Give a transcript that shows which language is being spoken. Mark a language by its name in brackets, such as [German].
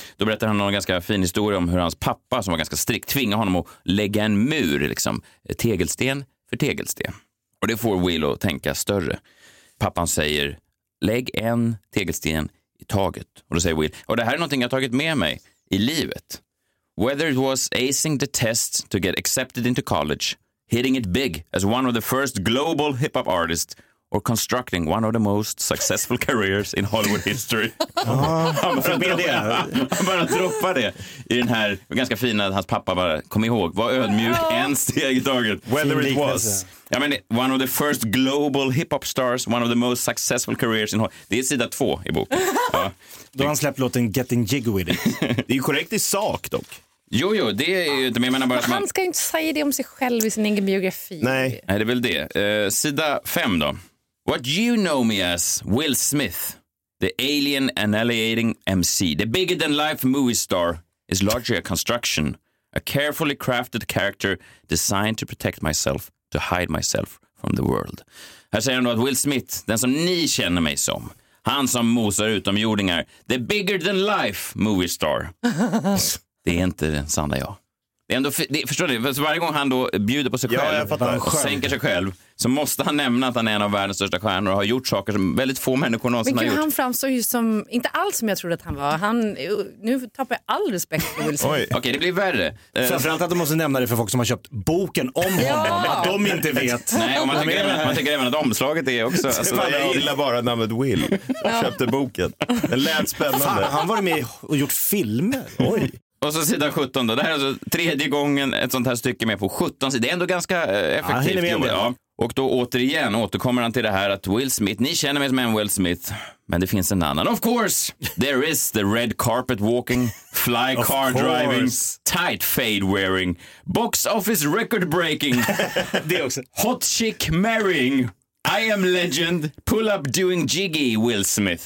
[Swedish] Då berättar han någon ganska fin historia om hur hans pappa, som var ganska strikt, tvingade honom att lägga en mur, liksom tegelsten för tegelsten. Och det får Will att tänka större. Pappan säger, lägg en tegelsten i taget. Och då säger Will, och det här är någonting jag tagit med mig i livet. [English] Whether it was acing the test to get accepted into college, hitting it big as one of the first global hip-hop artists, or constructing one of the most successful careers in Hollywood history. [Swedish] Han bara droppar det i den här ganska fina, hans pappa bara, kom ihåg, var ödmjuk en steg i taget. [English] Whether it was, I mean, one of the first global hip-hop stars, one of the most successful careers in Hollywood. [Swedish] Det är sida 2 i boken. Då har han släppt låten Getting Jiggy With It. Det är ju korrekt i sak dock. Jo, det är ju inte, men jag menar bara att han ska ju inte säga det om sig själv i sin egen biografi. Nej. Nej, det är väl det. Sida 5 då. [English] What you know me as, Will Smith, the alien annihilating MC, the bigger than life movie star, is largely a construction, a carefully crafted character designed to protect myself, to hide myself from the world. [Swedish] Här säger han då att Will Smith, den som ni känner mig som, han som mosar utomjordingar, [English] the bigger than life movie star, [Swedish] det är inte den sanna jag. Det är ändå, det, förstår ni, för varje gång han då bjuder på sig själv, sänker sig själv, så måste han nämna att han är en av världens största stjärnor och har gjort saker som väldigt få människor någonsin har gjort. Men han framstår ju som, inte alls som jag trodde att han var. Han, nu tappar jag all respekt för Will Smith. Okej, det blir värre. Framförallt att de måste nämna det för folk som har köpt boken om honom, att de inte vet. Nej, och man tänker även att omslaget är också. Alltså, jag gillar bara namnet Will och köpte boken. Det lät spännande. Fan, han var med och gjort filmer. Oj. Och så sida 17 då. Det här är alltså tredje gången ett sånt här stycke med på 17 sidor. Det är ändå ganska effektivt. Ja, ja. Och då återigen återkommer han till det här att Will Smith, ni känner mig som en Will Smith, men det finns en annan. [English] Of course, there is the red carpet walking, fly car driving, tight fade wearing, box office record breaking, [Swedish] det också. [English] Hot chick marrying, I am legend, pull up doing jiggy Will Smith.